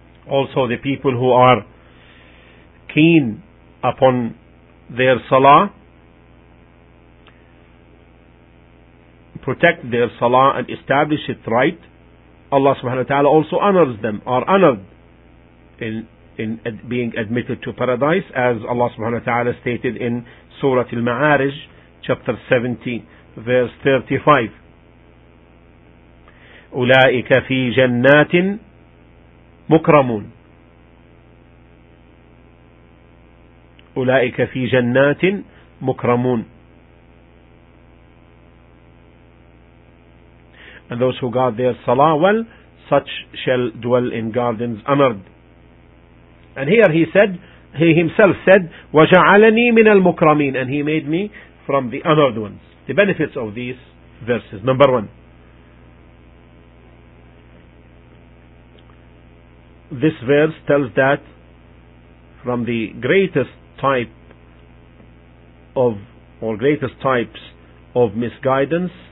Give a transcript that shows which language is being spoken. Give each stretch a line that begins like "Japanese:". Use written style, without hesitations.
English: Also, the people who are keen upon their salah, protect their salah and establish it right, Allah subhanahu wa ta'ala also honors them, are honored in being admitted to paradise, as Allah subhanahu wa ta'ala stated in Surah Al-Ma'arij, chapter 70, verse 35.
Arabic: أُولَٰئِكَ فِي جَنَّاتٍ مُكْرَمُونَ أولئك في جنات مكرمون.
English: And those who guard their salah well, such shall dwell in gardens honored. And here he himself said,
Arabic: وجعلني من المكرمين,
English: and he made me from the honored ones. The benefits of these verses. Number one, this verse tells that from the greatest type of, or greatest types of misguidance,